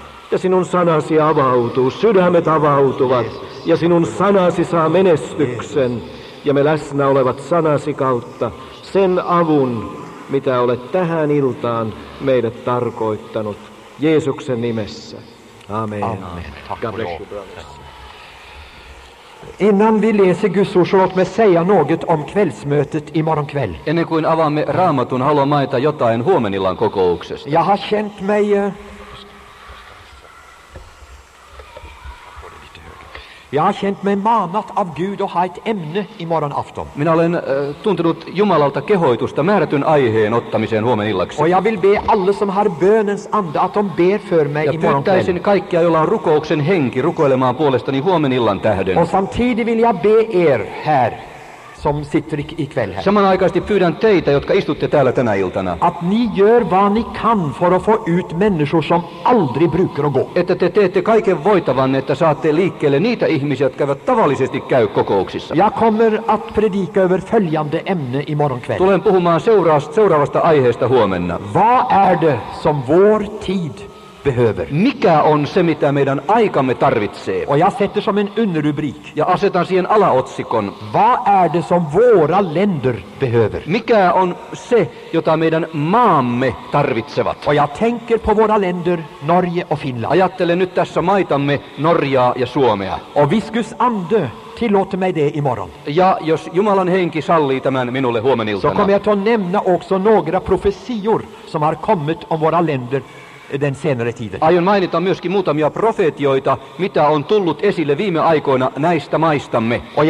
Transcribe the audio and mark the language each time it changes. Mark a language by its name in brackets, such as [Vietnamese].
[Finnish] Ja sinun sanasi avautuu, sydämet avautuvat, ja sinun sanasi saa menestyksen, ja me läsnä olevat sanasi kautta sen avun, mitä olet tähän iltaan meidät tarkoittanut, Jeesuksen nimessä. Amen. Amen. [Swedish] Innan vi läser Guds ord, så låt mig säga något om kvällsmötet imorgon kväll. [Finnish] Ennen kuin avaamme Raamatun, haluan mainita jotain huomenillan kokouksesta. [Swedish] Jag har känt mig... Jag har känt mig manat av Gud och ha ett ämne imorgon afton. [Finnish] Minä olen tuntenut Jumalalta kehoitusta määrätyn aiheen ottamiseen huomenillaksi. [Swedish] Och jag vill be alla som har bönens ande att de ber för mig imorgon kväll. [Finnish] Ja pyytäisin kaikkia, joilla on rukouksen henki, rukoilemaan puolestani huomenillan tähden. [Swedish] Och samtidigt vill jag be er här som sitter ikväll här. [Finnish] Samanaikaisesti pyydän teitä, jotka istutte täällä tänä iltana. [Swedish] Att ni gör vad ni kan för att få ut människor som aldrig brukar gå. [Finnish] Että te teette kaiken voitavan, että saatte liikkeelle niitä ihmisiä, jotka eivät tavallisesti käy kokouksissa. [Swedish] Jag kommer att predika över följande ämne imorgon kväll. [Finnish] Tulen puhumaan seuraavasta aiheesta huomenna. [Swedish] Vad är det som vår tid behöver? [Finnish] Mikä on se, mitä meidän aikamme tarvitsee? [Swedish] Och jag sätter som en underrubrik. [Finnish] Ja asetan siihen alaotsikon. [Swedish] Vad är det som våra länder behöver? [Finnish] Mikä on se, jota meidän maamme tarvitsevat? [Swedish] Och jag tänker på våra länder, Norge och Finland. [Finnish] Ajattelen nyt tässä maitamme Norjaa ja Suomea. [Swedish] Och viskus ande tillåter mig det imorgon. [Finnish] Ja jos Jumalan henki sallii tämän minulle huomeniltana. [Swedish] Så kommer jag att nämna också några profetior som har kommit om våra länder. [Finnish] Aion mainita myöskin muutamia profetioita, mitä on tullut esille viime aikoina näistä maistamme.